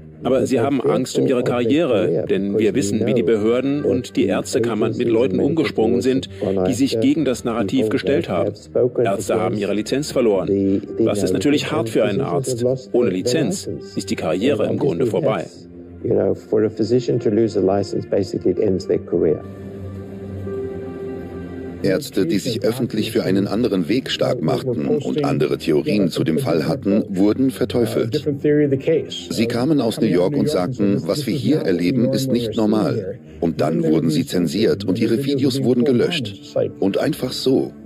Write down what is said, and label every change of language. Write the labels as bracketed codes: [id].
[de] Aber sie haben Angst um ihre Karriere, denn wir wissen, wie die Behörden und die Ärztekammern mit Leuten umgesprungen sind, die sich gegen das Narrativ gestellt haben. Ärzte haben ihre Lizenz verloren. Das ist natürlich hart für einen Arzt. Ohne Lizenz ist die Karriere im Grunde vorbei. [en] You know, for a physician to lose a license, basically it ends their career. [de] Ärzte, die sich öffentlich für einen anderen Weg stark machten und andere Theorien zu dem Fall hatten, wurden verteufelt. Sie kamen aus New York und sagten, was wir hier erleben, ist nicht normal. Und dann wurden sie zensiert und ihre Videos wurden gelöscht. Und einfach so.